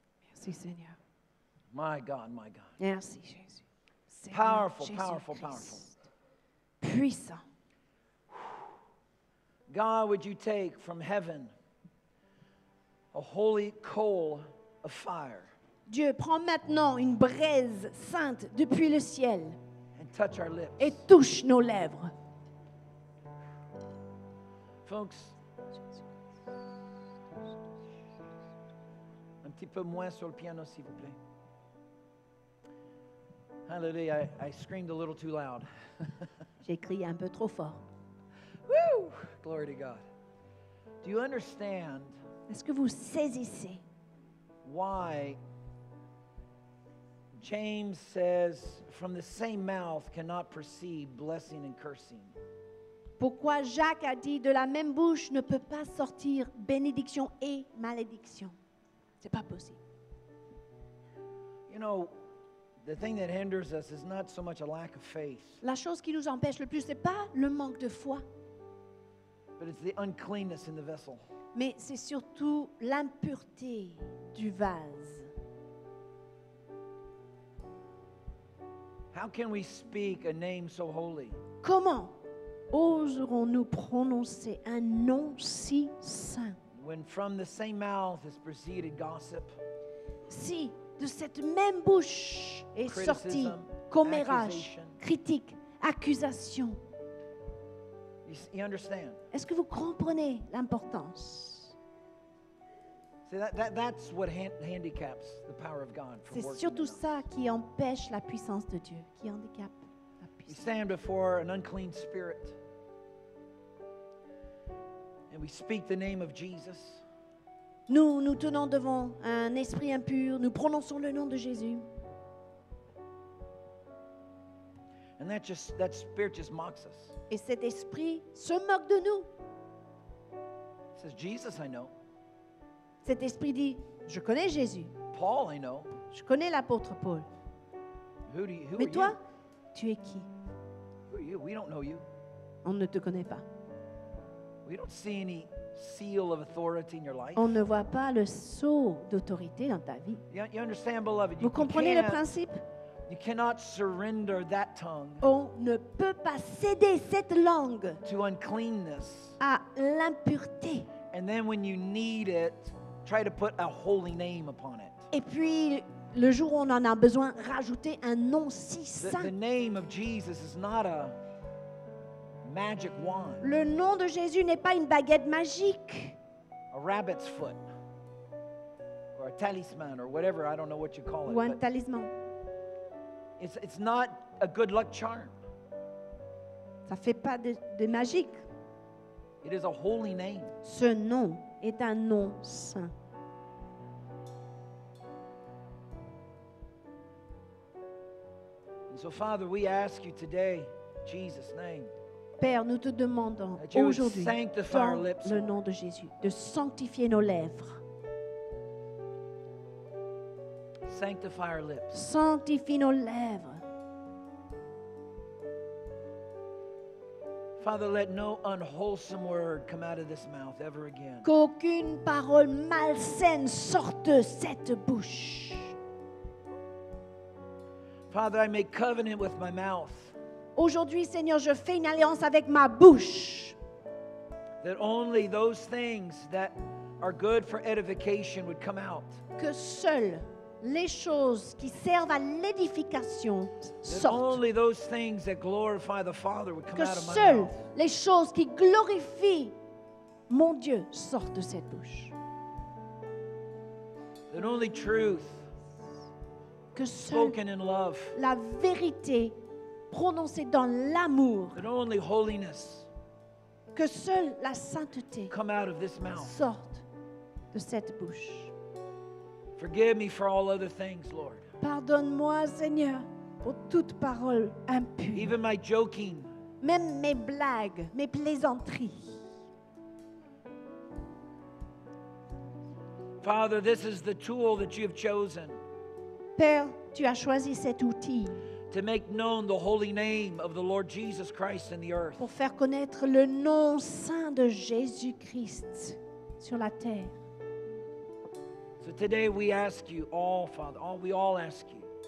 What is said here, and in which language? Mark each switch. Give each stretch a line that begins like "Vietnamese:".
French: Merci, Seigneur.
English: My God, my God.
French: Merci, Jésus.
English: Seigneur, powerful, Jésus powerful, Christ. Powerful.
French: Puissant.
English: God, would you take from heaven a holy coal of fire?
French: Dieu, prends maintenant une braise sainte depuis le ciel.
English: And touch our lips.
French: Et touche nos lèvres. Folks, un petit peu moins sur le piano, s'il vous plaît.
English: Hallelujah, I screamed a little too loud.
French: J'ai crié un peu trop fort.
English: Woo! Glory to God. Do you understand?
French: Est-ce que vous saisissez?
English: Why James says, from the same mouth cannot proceed blessing and cursing.
French: Pourquoi Jacques a dit, de la même bouche ne peut pas sortir bénédiction et malédiction? C'est pas possible.
English: You know, the thing that hinders us is not so much a lack of faith.
French: La chose qui nous empêche le plus, c'est pas le manque de foi.
English: But it's the uncleanness in the vessel.
French: Mais c'est surtout l'impureté du vase.
English: How can we speak a name so holy?
French: Comment oserons-nous prononcer un nom si saint?
English: When from the same mouth has proceeded gossip,
French: si de cette même bouche est sorti commérage, critique, accusation.
English: You understand?
French: Est-ce que vous comprenez l'importance?
English: That's what handicaps the power of God.
French: C'est surtout ça qui empêche la puissance de Dieu, qui handicape la puissance.
English: We stand before an unclean spirit, and we speak the name of Jesus.
French: Nous tenons devant un esprit impur, nous prononçons le nom de Jésus.
English: And that spirit just mocks us.
French: Et cet esprit se moque de nous.
English: It says, Jesus, I know.
French: Cet esprit dit, je connais Jésus.
English: Paul, I know.
French: Je connais l'apôtre Paul. Mais toi, tu es qui?
English: Who are you? We don't know you.
French: On ne te connaît pas.
English: We don't see any seal of authority in your life.
French: On ne voit pas le sceau d'autorité dans ta vie.
English: You understand, beloved?
French: Vous comprenez le principe?
English: You cannot surrender that tongue.
French: On ne peut pas céder cette langue
English: to uncleanness.
French: À l'impureté.
English: And then when you need it, try to put a holy name upon it.
French: Et puis le jour où on en a besoin, rajouter un nom si saint.
English: The name of Jesus is not a magic wand.
French: Le nom de Jésus n'est pas une baguette magique.
English: A rabbit's foot or a talisman or whatever, I don't know what you call it.
French: Ou un talisman.
English: It's not a good luck charm.
French: Ça fait pas de magique.
English: It is a holy name.
French: Ce nom est un nom saint.
English: And so, Father, we ask you today, Jesus' name.
French: Père, nous te demandons aujourd'hui, dans le nom de Jésus, de sanctifier nos lèvres.
English: Sanctify our lips.
French: Sanctifie nos lèvres.
English: Father, let no unwholesome word come out of this mouth ever again.
French: Qu'aucune parole malsaine sorte de cette bouche.
English: Father, I make covenant with my mouth.
French: Aujourd'hui, Seigneur, je fais une alliance avec ma bouche.
English: That only those things that are good for edification would come out.
French: Que seules les choses qui servent à l'édification sortent. Que seules les choses qui glorifient mon Dieu sortent de cette bouche.
English: That only truth,
French: que seule
English: in love,
French: la vérité prononcée dans l'amour,
English: that only holiness,
French: que seule la sainteté
English: come out of this mouth.
French: Sorte de cette bouche.
English: Forgive me for all other things, Lord.
French: Pardonne-moi, Seigneur, pour toute parole impure.
English: Even my joking.
French: Même mes blagues, mes plaisanteries.
English: Father, this is the tool that you have chosen.
French: Père, tu as choisi cet outil.
English: To make known the holy name of the Lord Jesus Christ in the earth.
French: Pour faire connaître le nom saint de Jésus-Christ sur la terre.
English: So today we ask you all, Father, all we all ask you.